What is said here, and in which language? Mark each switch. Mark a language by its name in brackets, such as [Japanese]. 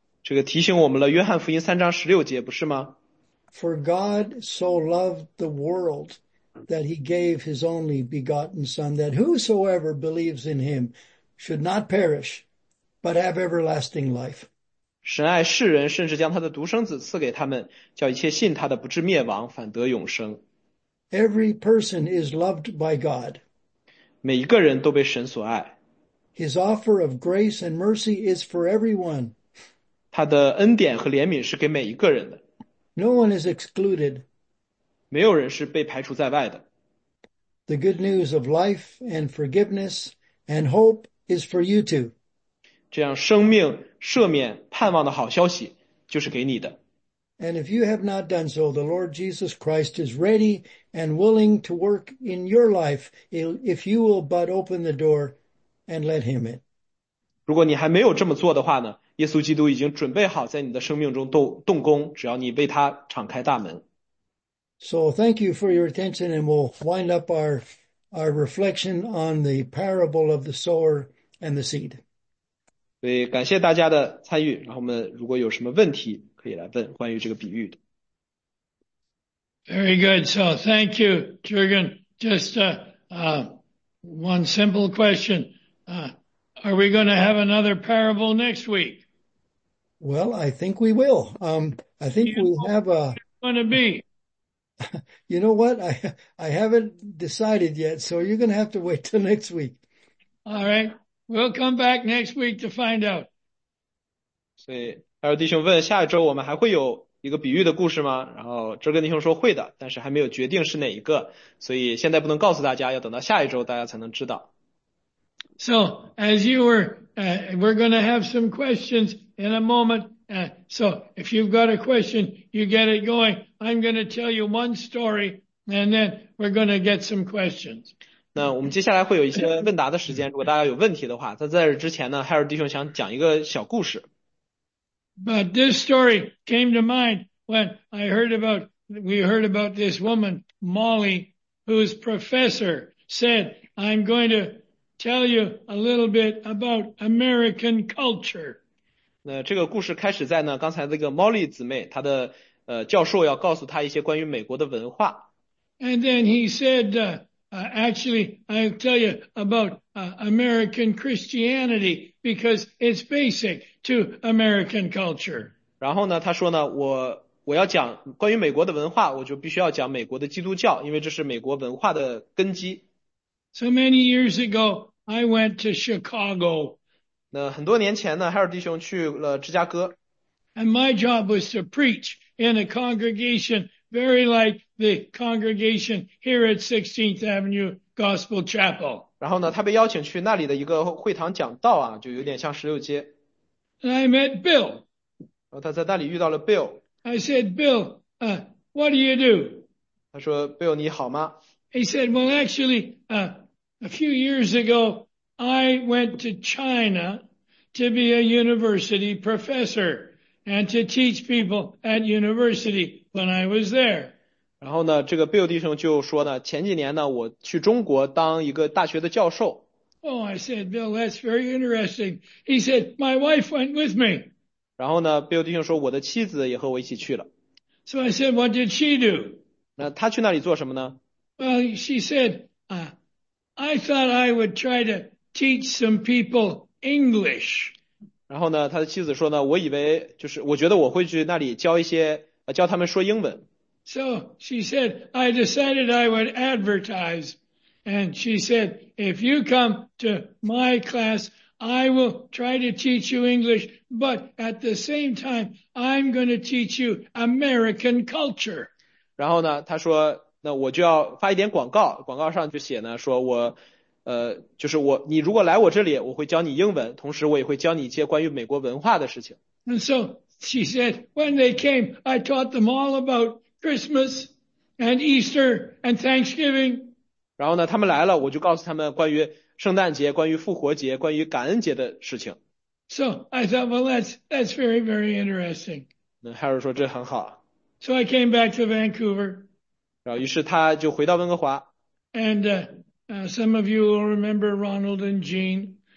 [Chinese] 这个提醒我们了约翰福音三章十六节，不是吗？ [English] For God so loved the world that he gave his only begotten son, that whosoever believes in him should not perish, but have everlasting life. [Chinese] 神爱世人，甚至将他的独生子赐给他们，叫一切信他的不至灭亡，反得永生。 [English] Every person is loved by God. [Chinese] 每一个人都被神所爱。 [English] His offer of grace and mercy is for everyone. [Chinese] 他的恩典和怜悯是给每一个人的。 [English] No one is excluded. [Chinese] 没有人是被排除在外的。 [English] The good news of life and forgiveness and hope is for you too. [Chinese] 这样生命赦免盼望的好消息就是给你的。 [English] And if you have not done so, the Lord Jesus Christ is ready and willing to work in your life if you will but open the door and let him in. [Chinese] 如果你还没有这么做的话呢，耶稣基督已经准备好在你的生命中动工，只要你为他敞开大门。 [English] So thank you for your attention and we'll wind up our reflection on the parable of the sower and the seed. [Chinese] 对，感谢大家的参与，然后我们如果有什么问题可以来问关于这个比喻的。 [English] Very good. So thank you, Jürgen. Just one simple question. Are we going to have another parable next week? Well, I think we will. I think we have a... going to be? You know what? I haven't decided yet, so you're going to have to wait till next week. All right. We'll come back next week to find out. [Chinese] 所以艾尔弟兄问，下一周我们还会有一个比喻的故事吗？然后哲根弟兄说会的，但是还没有决定是哪一个，所以现在不能告诉大家，要等到下一周大家才能知道。 [English] So, as you were, we're going to have some questions in a moment. So, if you've got a question, you get it going. I'm going to tell you one story, and then we're going to get some questions. [Chinese] 那我们接下来会有一些问答的时间，如果大家有问题的话，在这之前呢，海尔弟兄想讲一个小故事。 [English] But this story came to mind when I heard about, we heard about this woman, Molly, whose professor said, I'm going to tell you a little bit about American culture. [Chinese] 那这个故事开始在呢，刚才这个 Molly 姊妹，她的教授要告诉她一些关于美国的文化。 [English] And then he said, actually, I'll tell you about American Christianity because it's basic to American culture. [Chinese] 然后呢，他说呢，我要讲关于美国的文化，我就必须要讲美国的基督教，因为这是美国文化的根基。 [English] So many years ago, I went to Chicago. [Chinese] 那很多年前呢，海尔弟兄去了芝加哥。 [English] And my job was to preach in a congregation very like the congregation here at 16th Avenue Gospel Chapel. [Chinese] 然后呢，他被邀请去那里的一个会堂讲道啊，就有点像十六街。 [English] And I met Bill. [Chinese] 然后他在那里遇到了 Bill。 [English] I said, Bill, what do you do? [Chinese] 他说 ,Bill, 你好吗？ [English] He said, well, actually, a few years ago, I went to China to be a university professor and to teach people at university when I was there. [Chinese] 然后呢，这个 Bill 弟兄就说呢，前几年呢，我去中国当一个大学的教授。 [English] Oh, I said, Bill, that's very interesting. He said, my wife went with me. [Chinese] 然后呢 ,Bill 弟兄说我的妻子也和我一起去了。 [English] So I said, what did she do? [Chinese] 那他去那里做什么呢 [English] ?Well, she said, I thought I would try to teach some people English. [Chinese] 然后呢他的妻子说呢我以为就是我觉得我会去那里教一些教他们说英文。 [English] So she said, I decided I would advertise. And she said, if you come to my class, I will try to teach you English, but at the same time, I'm going to teach you American culture. [Chinese] 然后呢他说那我就要发一点广告广告上就写呢说我就是我你如果来我这里我会教你英文同时我也会教你一些关于美国文化的事情。 [English] And so she said, when they came, I taught them all about Christmas and Easter and Thanksgiving. [Chinese] 然后呢他们来了我就告诉他们关于圣诞节关于复活节关于感恩节的事情。 [English] So I thought, well, that's very, very interesting. [Chinese] 那 Harry 说这很好。 [English] So I came back to Vancouver. [Chinese] 然后于是他就回到温哥华。 [English] And, some of you will remember Ronald and Jean.